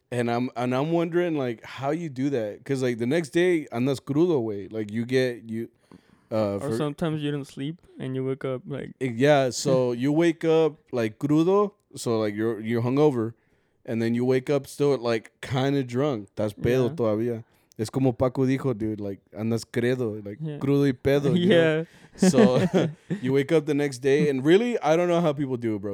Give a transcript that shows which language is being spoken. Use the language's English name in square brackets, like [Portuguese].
[English] And I'm wondering, like, how you do that. Because, like, the next day, [Spanish] andas crudo, way. [English] Like, you get, you, Or sometimes you don't sleep and you wake up like. Yeah, so you wake up like crudo, so like you're hungover, and then you wake up still like kind of drunk. [Spanish] Estás pedo todavía. Es como Paco dijo, dude, like andas credo, like crudo y pedo. [English] Yeah. So you wake up the next day, and really, I don't know how people do it, bro.